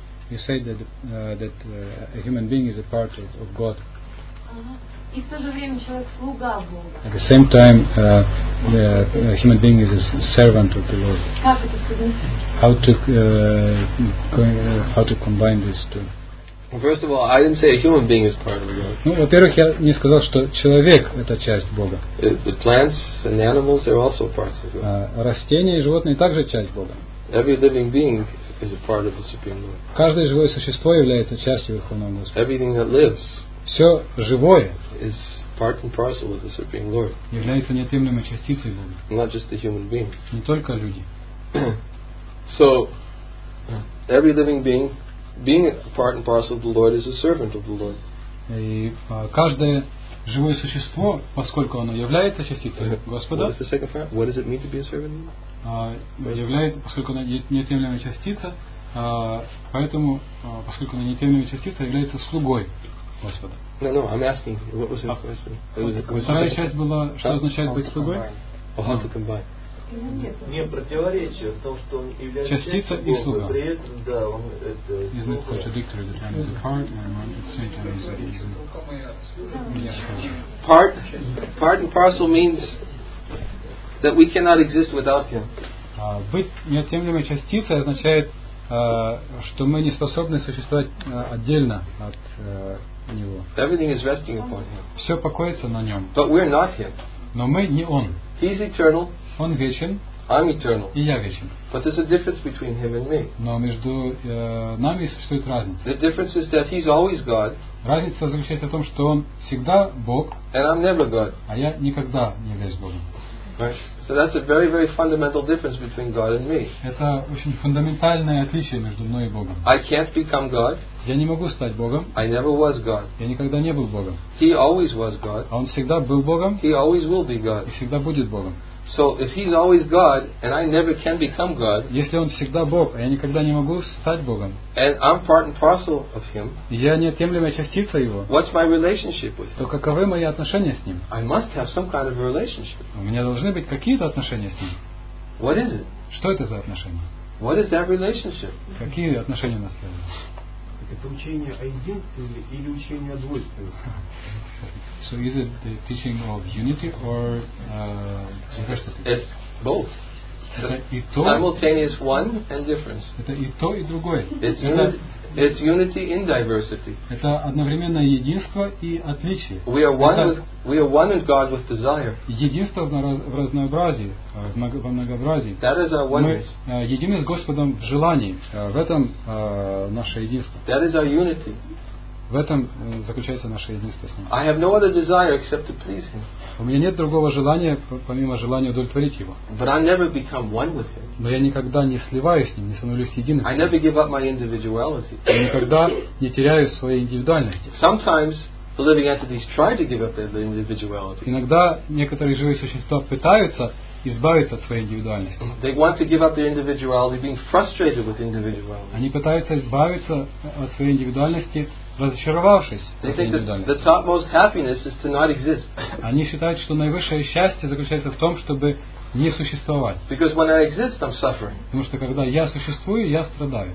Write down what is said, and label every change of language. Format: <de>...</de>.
<en>you say that a human being is a part of God.</en> <ru>И в то же время человек слуга Бога.</ru> <en>At the same time, the human being is a servant of the Lord.</en> <ru>Как это соединить?</ru> <en>How to combine these two? Well, first of all, I didn't say a human being is part of the Lord.</en> <ru>Ну, во-первых, я не сказал, что человек это часть Бога.</ru> <en>The plants and the animals, they're also parts of God.</en> <ru>Растения и животные также часть Бога.</ru> <en>Every living being is a part of the Supreme Lord.</en> <ru>Каждое живое существо является частью Верховного Господа.</ru> <en>Everything that lives.</en> <ru>Все живое</ru> <en>is part and parcel of the Supreme Lord.</en> <ru>Является неотъемлемой частицей Бога.</ru> <en>Not just the human beings.</en> <ru>Не только люди.</ru> <en>So every living being, being a part and parcel of the Lord, is a servant of the Lord.</en> <ru>И каждое живое существо, поскольку оно является частицей Господа,</ru> <en>what is the second part? What does it mean to be a servant?</en> <ru>Является, поскольку оно неотъемлемая частица, поэтому, поскольку оно неотъемлемая частица, является слугой.</ru> <en>No, I'm asking. What was the question?</en> <ru>Вторая часть была, что означает быть слугой?</ru> <en>Oh, how to combine?</en> <ru>Не противоречие в том, что он является частица и слуга. При этом, да, он это.</ru> <en>Isn't it contradictory that one is a part and one is a servant? Part and parcel means that we cannot exist without him.</en> <ru>Быть неотъемлемой частицей означает, что мы не способны существовать отдельно от него.</ru> <en>Everything is resting upon him.</en> <ru>Все покоится на нем.</ru> <en>But we're not him.</en> <ru>Но мы не он.</ru> <en>He's eternal.</en> <ru>Он вечен.</ru> <en>I'm eternal.</en> <ru>И я вечен.</ru> <en>But there's a difference between him and me.</en> <ru>Но между нами существует разница.</ru> <en>The difference is that he's always God.</en> <ru>Разница заключается в том, что он всегда Бог.</ru> <en>And I'm never God.</en> <ru>А я никогда не являюсь Богом.</ru> <en>Right. So that's a very, very fundamental difference between God and me.</en> <ru>Это очень фундаментальное отличие между мной и Богом.</ru> <en>I can't become God.</en> <ru>Я не могу стать Богом.</ru> <en>I never was God.</en> <ru>Я никогда не был Богом.</ru> <en>He always was God.</en> <ru>Он всегда был Богом.</ru> <en>He always will be God.</en> <ru>И всегда будет Богом.</ru> <en>So if he's always God and I never can become God.</en> <ru>Если он всегда Бог, а я никогда не могу стать Богом.</ru> <en>And I'm part and parcel of him.</en> <ru>Я неотъемлемая частица его.</ru> <en>What's my relationship with him?</en> <ru>То каковы мои отношения с ним?</ru> <en>I must have some kind of a relationship.</en> <ru>У меня должны быть какие-то отношения с ним.</ru> <en>What is it?</en> <ru>Что это за отношения?</ru> <en>What is that relationship?</en> <ru>Какие отношения у нас с ним? Это учение о единстве или учение о двойственности?</ru> <en>So is it the teaching of unity or diversity? It's both.</en> <ru>Это</ru> <en>simultaneous one and difference.</en> <ru>Это и то, и другое.</ru> <en>It's unity in diversity.</en> <ru>Это одновременно единство и отличие.</ru> <en>We are one with God with desire.</en> <ru>Единство в разнообразии, в многообразии.</ru> <en>That is our oneness.</en> <ru>Мы едины с Господом в желании. В этом наше единство.</ru> <en>That is our unity.</en> <ru>В этом заключается наше единство с Ним.</ru> <en>I have no other desire except to please Him.</en> <ru>У меня нет другого желания, помимо желания удовлетворить Его.</ru> <en>But I never become one with Him.</en> <ru>Но я никогда не сливаюсь с Ним, не становлюсь единым.</ru> <en>I never give up my individuality.</en> <ru>Я никогда не теряю своей индивидуальности.</ru> <en>Sometimes the living entities try to give up their individuality.</en> <ru>Иногда некоторые живые существа пытаются избавиться от своей индивидуальности.</ru> <en>They want to give up their individuality, being frustrated with individuality.</en> <ru>Они пытаются избавиться от своей индивидуальности, разочаровавшись. Они считают, что наивысшее счастье заключается в том, чтобы не существовать.</ru> <en>Because when I exist, I'm suffering.</en> <ru>Потому что когда я существую, я страдаю.</ru>